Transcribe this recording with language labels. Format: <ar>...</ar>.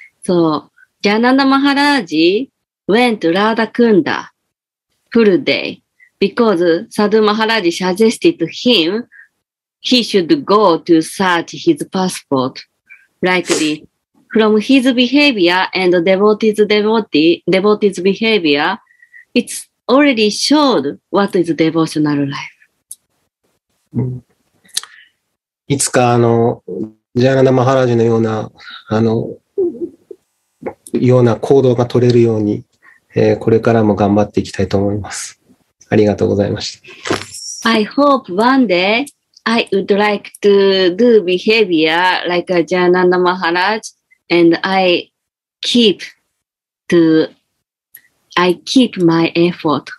<en>So, Jayananda Maharaji went to Radha Kunda full day because Sadhu Maharaji suggested to him he should go to search his passport. Like this, from his behavior and devotee's behavior, it's already showed what is devotional life.</en> <ja>いつかあのジャーナナ・マハラジのようなあのような行動が取れるように、これからも頑張っていきたいと思います。ありがとうございました。</ja> <en>I hope one day I would like to do behavior like a ジャーナナ・マハラジ and I keep my effort.</en>